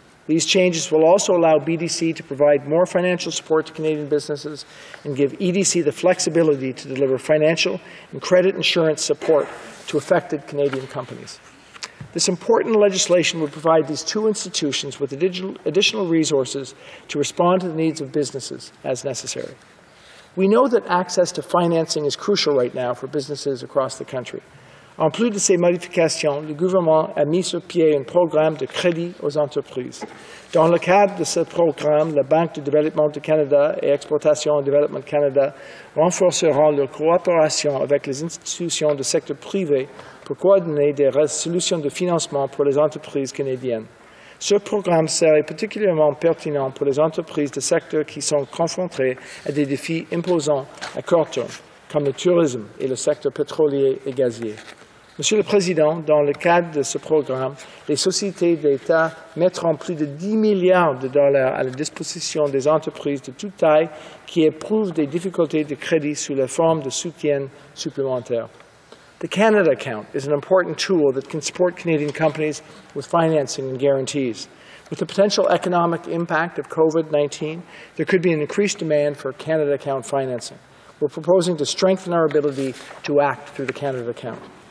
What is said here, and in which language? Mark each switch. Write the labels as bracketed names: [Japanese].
[English] These changes will also allow BDC to provide more financial support to Canadian businesses and give EDC the flexibility to deliver financial and credit insurance support to affected Canadian companies. This important legislation would provide these two institutions with additional resources to respond to the needs of businesses as necessary. We know that access to financing is crucial right now for businesses across the country. [French] En plus de ces modifications, le gouvernement a mis sur pied un programme de crédit aux entreprises. Dans le cadre de ce programme, la Banque de développement du Canada et Exportation et Development Canada renforceront leur coopération avec les institutions du secteur privé pour coordonner des solutions de financement pour les entreprises canadiennes. Ce programme serait particulièrement pertinent pour les entreprises du secteur qui sont confrontées à des défis imposants à court terme, comme le tourisme et le secteur pétrolier et gazier. Monsieur le Président, dans le cadre de ce programme, les sociétés d'État mettront plus de 10 milliards de dollars à la disposition des entreprises de toute taille qui éprouvent des difficultés de crédit sous la forme de soutien supplémentaire. [English] The Canada Account is an important tool that can support Canadian companies with financing and guarantees. With the potential economic impact of COVID-19, there could be an increased demand for Canada Account financing. We're proposing to strengthen our ability to act through the Canada Account.